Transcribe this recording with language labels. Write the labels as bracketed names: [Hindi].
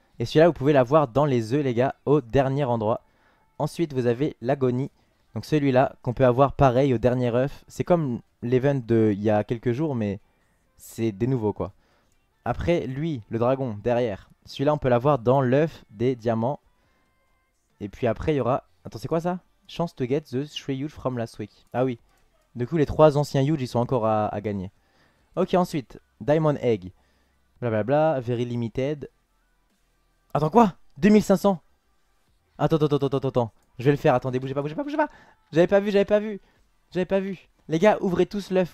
[French] Et celui-là, vous pouvez l'avoir dans les œufs, les gars, au dernier endroit. Ensuite, vous avez l'agonie. Donc celui-là, qu'on peut avoir pareil au dernier œuf. C'est comme l'event de il y a quelques jours, mais c'est des nouveaux, quoi. Après, lui, le dragon, derrière. Celui-là, on peut l'avoir dans l'œuf des diamants. Et puis après, il y aura... Attends, c'est quoi ça? [English] Chance to get the 3 huge from last week. [French] Ah oui. Du coup, les 3 anciens huge, ils sont encore à gagner. Ok, ensuite. [English] Diamond Egg. [French] Blablabla. [English] Very limited. [French] Attends, quoi? 2500? Attends. Je vais le faire. Attendez, bougez pas, bougez pas, bougez pas. J'avais pas vu, j'avais pas vu. J'avais pas vu. Les gars, ouvrez tous l'œuf.